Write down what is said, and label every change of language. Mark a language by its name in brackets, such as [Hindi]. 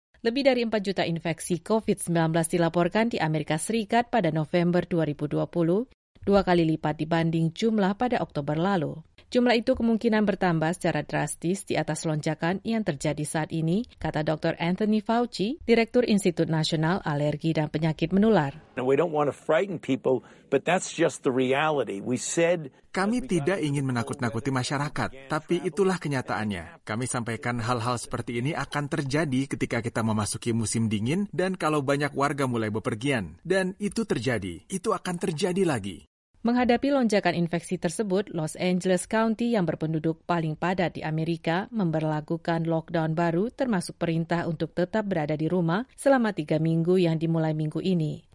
[Indonesian] Lebih dari 4 juta infeksi COVID-19 dilaporkan di Amerika Serikat pada November 2020, dua kali lipat dibanding jumlah pada Oktober lalu. Jumlah itu kemungkinan bertambah secara drastis di atas lonjakan yang terjadi saat ini, kata Dr. Anthony Fauci, Direktur Institut Nasional Alergi dan Penyakit Menular. [English] We don't want to frighten people, but that's just the reality. We said [Indonesian] kami tidak ingin menakut-nakuti masyarakat, tapi itulah kenyataannya. Kami sampaikan hal-hal seperti ini akan terjadi ketika kita memasuki musim dingin dan kalau banyak warga mulai bepergian, dan itu terjadi, itu akan terjadi lagi. Menghadapi lonjakan infeksi tersebut, Los Angeles County yang berpenduduk paling padat di Amerika memberlakukan lockdown baru termasuk perintah untuk tetap berada di rumah selama 3 minggu yang dimulai minggu ini.